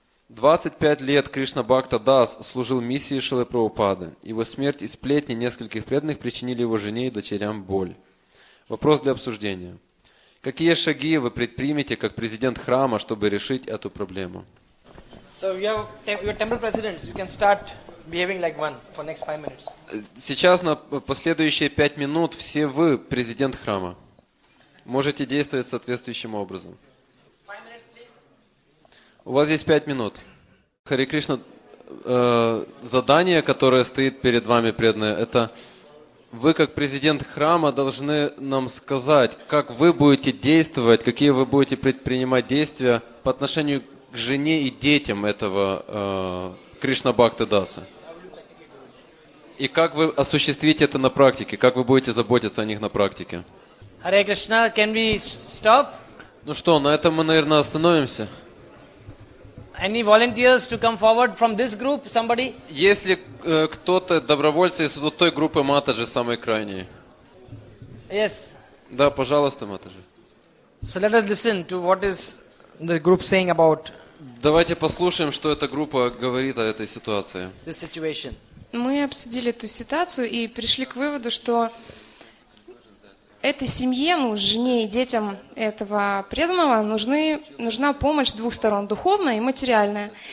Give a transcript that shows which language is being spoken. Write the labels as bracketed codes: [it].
[ru] 25 лет Кришна Бхакта Дас служил миссии Шрилы Прабхупады. Его смерть и сплетни нескольких преданных причинили его жене и дочерям боль. Вопрос для обсуждения. Какие шаги вы предпримете как президент храма, чтобы решить эту проблему? [en] So your temple presidents, you can start behaving like one for next 5 minutes. [ru] Сейчас на последующие 5 минут все вы президент храма. Можете действовать соответствующим образом. [en] 5 minutes, please. [ru] У вас есть 5 минут. Харе Кришна, задание, которое стоит перед вами, преданное, это вы как президент храма должны нам сказать, как вы будете действовать, какие вы будете предпринимать действия по отношению к жене и детям этого Кришна Бхакты Даса. И как вы осуществите это на практике? Как вы будете заботиться о них на практике? [en] Hare Krishna, can we stop? [ru] Ну что, на этом мы, наверное, остановимся. [en] Any volunteers to come forward from this group, somebody? [ru] Если кто-то добровольцы из той группы Матаджи, самой крайней. [en] Yes. [ru] Да, пожалуйста, Матаджи. [en] So let us listen to what is the group saying about. [ru] Давайте послушаем, что эта группа говорит о этой ситуации. [en] This situation. [ru] Мы обсудили эту ситуацию и пришли к выводу, что этой семье, муж, жене и детям этого преданного нужна помощь 2 сторон, духовная и материальная.